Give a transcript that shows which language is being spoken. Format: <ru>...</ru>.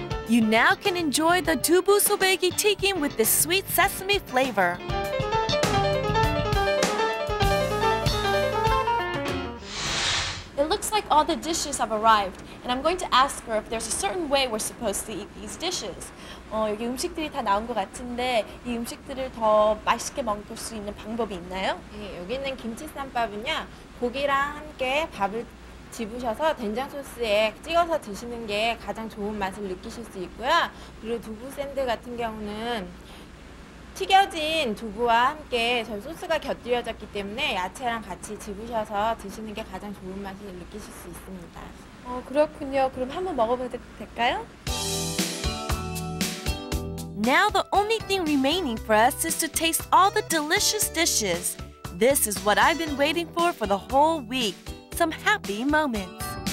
<en>You now can enjoy the 두부 소박이 튀김 with this sweet sesame flavor. It looks like all the dishes have arrived, and I'm going to ask her if there's a certain way we're supposed to eat these dishes.</en> <ko>여기 음식들이 다 나온 것 같은데 이 음식들을 더 맛있게 먹을 수 있는 방법이 있나요? 네, 여기 있는 김치쌈밥은요, 고기랑 함께 밥을 집으셔서 된장 소스에 찍어서 드시는 게 가장 좋은 맛을 느끼실 수 있고요. 그리고 두부 샌드 같은 경우는 튀겨진 두부와 함께 저 소스가 곁들여졌기 때문에 야채랑 같이 집으셔서 드시는 게 가장 좋은 맛을 느끼실 수 있습니다. 그렇군요. 그럼 한번 먹어봐도 될까요?</ko> <en>Now the only thing remaining for us is to taste all the delicious dishes. This is what I've been waiting for the whole week. Some happy moments.</en>